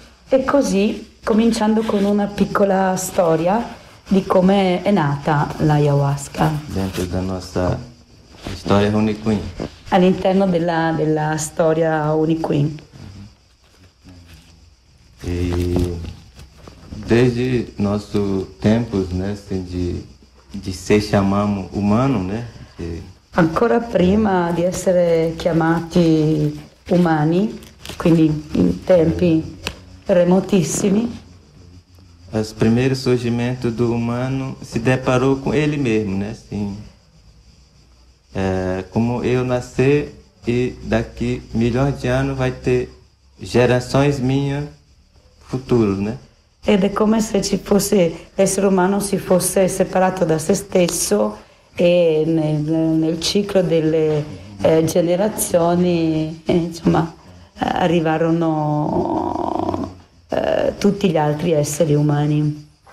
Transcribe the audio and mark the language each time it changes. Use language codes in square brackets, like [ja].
[it] E così, cominciando con una piccola storia di come è nata l'ayahuasca. [pt] Dentro da nossa história Runicuin. [it] All'interno della storia Unicuin. [pt] E desde nossos tempos, né, assim, de se chamamos humano, né? [it] Ancora prima di essere chiamati umani, quindi in tempi remotissimi. [pt] Os primeiros surgimentos do humano se deparou com ele mesmo, né? Assim, como eu nasci e daqui milhões de anos vai ter gerações minhas futuro, né? [it] Ed è come se ci fosse, l'essere umano si fosse separato da se stesso e nel ciclo delle generazioni, insomma, arrivarono tutti gli altri esseri umani.